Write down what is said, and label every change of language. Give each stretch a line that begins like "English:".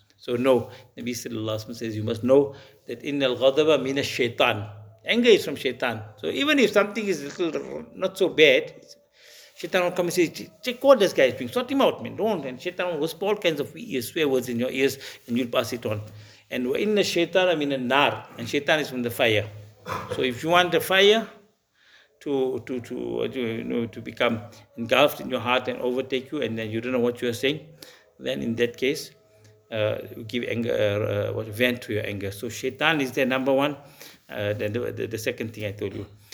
English: So know, Nabi sallallahu alayhi wa sallam says, you must know that
Arabic: إِنَّ الْغَضَبَ مِنَ الشَّيْطَانِ.
English: Anger is from shaitan. So even if something is little not so bad, shaitan will come and say, check what this guy is doing. Sort him out, man. Don't. And shaitan will whisper all kinds of ears, swear words in your ears, and you'll pass it on. And
Arabic: وَإِنَّ الشَّيْطَانَ مِنَ النَّارِ.
English: And shaitan is from the fire. So if you want the fire to become engulfed in your heart and overtake you, and then you don't know what you are saying, then in that case, give anger, vent to your anger. So shaitan is the number one, the second thing I told you.